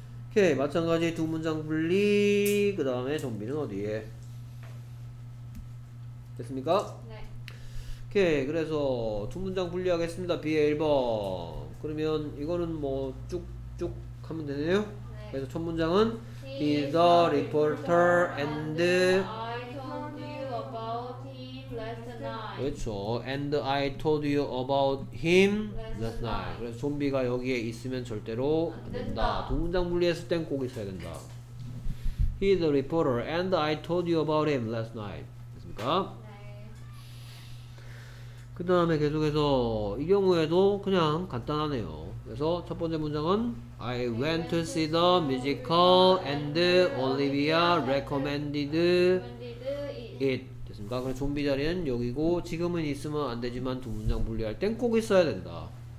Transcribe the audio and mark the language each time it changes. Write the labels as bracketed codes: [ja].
[ko] 오케이, 마찬가지 두 문장 분리. 그 다음에 좀비는 어디에? 됐습니까? 네. 오케이, 그래서 두 문장 분리하겠습니다. B의 1번. 그러면 이거는 뭐 쭉쭉 하면 되네요. 네. 그래서 첫 문장은 [en] He is the reporter and I told you about him last night. [ko] 그렇죠. [en] And I told you about him last night. [ko] 그래서 좀비가 여기에 있으면 절대로 안 된다. 두 문장 분리했을 땐 꼭 있어야 된다. [en] He is the reporter and I told you about him last night. [ko] 됐습니까? 그 다음에 계속해서 이 경우에도 그냥 간단하네요. 그래서 첫 번째 문장은 [en] I went to see the musical and Olivia recommended it. [ko] 됐습니까? 그럼 좀비 자리는 여기고 지금은 있으면 안 되지만 두 문장 분리할 땐 꼭 있어야 된다.